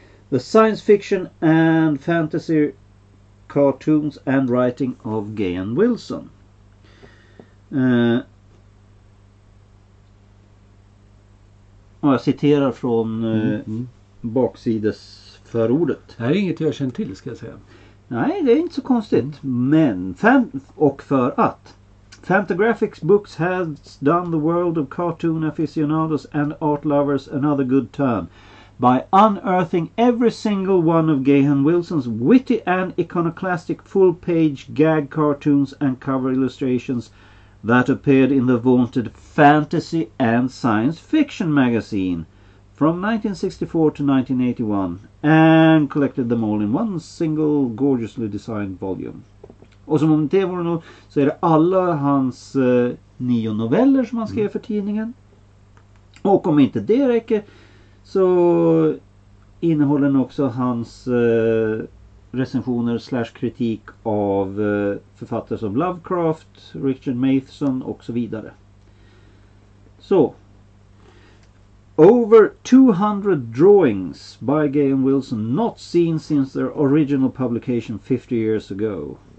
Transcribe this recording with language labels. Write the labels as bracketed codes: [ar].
[en] The Science Fiction and Fantasy Cartoons and Writing of Gahan Wilson. [sv] Och jag citerar från baksides förordet. Det här är inget jag känner till, ska jag säga. Nej, det är inte så konstigt. Men, och för att [en] Fantagraphics books has done the world of cartoon aficionados and art lovers another good turn by unearthing every single one of Gahan Wilson's witty and iconoclastic full-page gag cartoons and cover illustrations that appeared in the vaunted fantasy and science fiction magazine from 1964 to 1981 and collected them all in one single gorgeously designed volume. [sv] Och som om det var nog så är det alla hans nio noveller som han skrev för tidningen. Och om inte det räcker så innehåller den också hans recensioner/kritik av författare som Lovecraft, Richard Matheson och så vidare. Så. [en] Over 200 drawings by Gahan Wilson not seen since their original publication 50 years ago.